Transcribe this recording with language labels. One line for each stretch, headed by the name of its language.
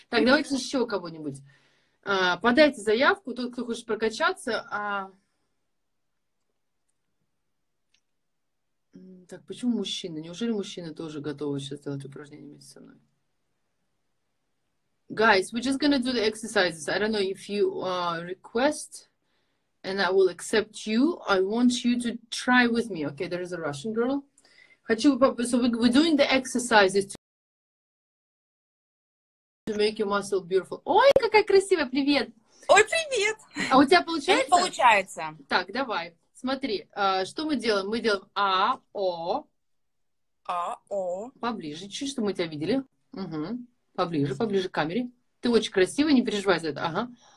Russian: Так, давайте еще кого-нибудь. Подайте заявку. Тот, кто хочет прокачаться. Так, почему мужчины? Неужели мужчины тоже готовы сейчас делать упражнения вместе со мной?
English: Guys, we're just gonna do the exercises. I don't know if you request, and I will accept you. I want you to try with me. Okay, there is a Russian girl.
Russian: Хочу,
English: so we're doing the exercises to make your muscle beautiful.
Russian: Ой, какая красивая, привет! Ой, привет! А у тебя получается? Теперь получается. Так, давай. Смотри, что мы делаем? Мы делаем А, О. А, О. Поближе чуть, чтобы мы тебя видели. Угу. Поближе, поближе к камере. Ты очень красивая, не переживай за это.